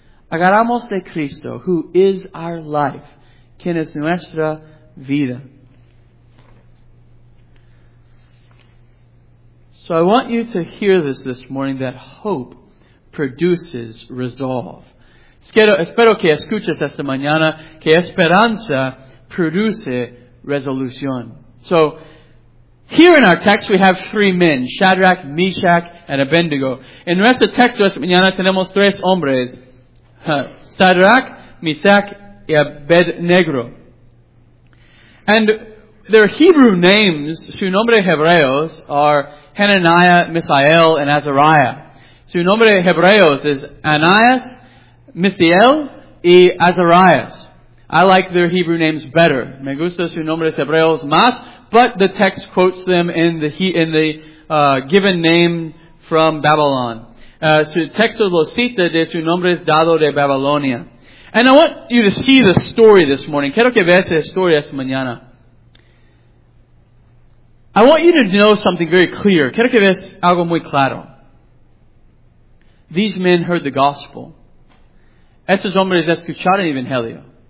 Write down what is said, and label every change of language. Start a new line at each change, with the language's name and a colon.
Spanish: Agarramos de Cristo,
English: who is our life.
Spanish: Quien es nuestra vida.
English: So I want you to hear this morning, that hope produces resolve.
Spanish: Espero que escuches esta mañana que esperanza produce resolución.
English: So, here in our text we have three men, Shadrach, Meshach, and Abednego.
Spanish: En nuestro texto esta mañana tenemos tres hombres, Shadrach, Meshach, y Abednego.
English: And their Hebrew names,
Spanish: su nombre hebreos,
English: are Hananiah, Mishael, and Azariah.
Spanish: Su nombre hebreos is Ananias, Misael y Azarias.
English: I like their Hebrew names better.
Spanish: Me gusta su nombre de hebreos más,
English: but the text quotes them in the given name from Babylon.
Spanish: Su texto lo cita de su nombre dado de Babilonia.
English: And I want you to see the story this morning.
Spanish: Quiero que veas la historia esta mañana.
English: I want you to know something very clear.
Spanish: Quiero que veas algo muy claro.
English: These men heard the gospel.
Spanish: Estos hombres escucharon el Evangelio.